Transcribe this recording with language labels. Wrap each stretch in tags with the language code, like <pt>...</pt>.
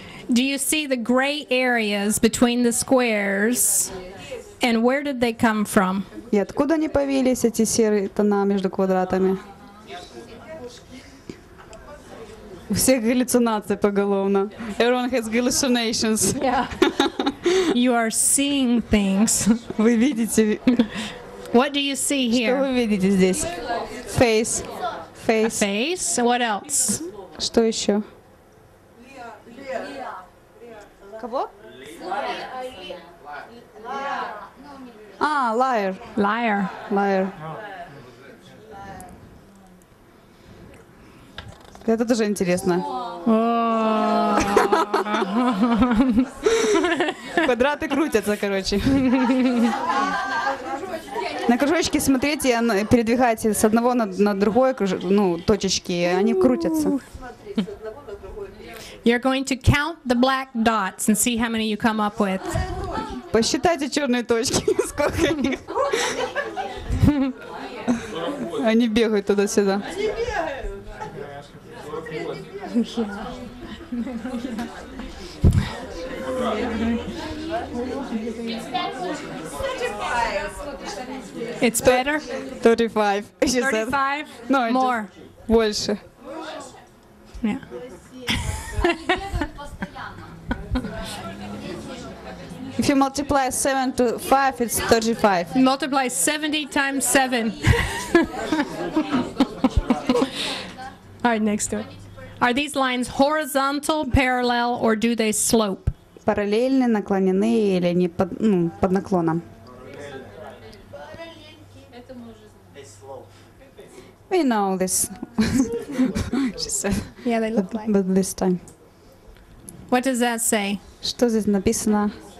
<en>Do you see the gray areas between the squares? And where did they come from?</en> <ru>И откуда они появились, эти серые тона между квадратами? У всех галлюцинации поголовно.</ru> <en>Everyone has hallucinations. Yeah. You are seeing things.</en> <ru>Вы видите.</ru> <en>What do you see here?</en> <ru>Что вы видите здесь?</ru> <en>Face. Face. A face? What else?</en> <ru>Что еще? Кого?</ru> <en>Liar. Liar. Liar.</en> <ru>Это тоже интересно. Квадраты крутятся, короче. На кружочки смотрите, передвигайте с одного на другое, ну, точечки, они крутятся.</ru> <en>You're going to count the black dots and see how many you come up with.</en> <ru>Посчитайте черные точки, сколько они. Они бегают туда-сюда.</ru> <en>It's better? 35. 35? No, more.</en> <ru>Больше.</ru> <en>Yeah. If you multiply 7 to 5, it's 35. Multiply 70 times 7. All right, next one. Are these lines horizontal, parallel, or do they slope?</en> <ru>Параллельны, наклонены или они под наклоном?</ru> <en>We know this. She said. Yeah, they look like. But this time. What does that say?</en> <ru>Что здесь написано?</ru>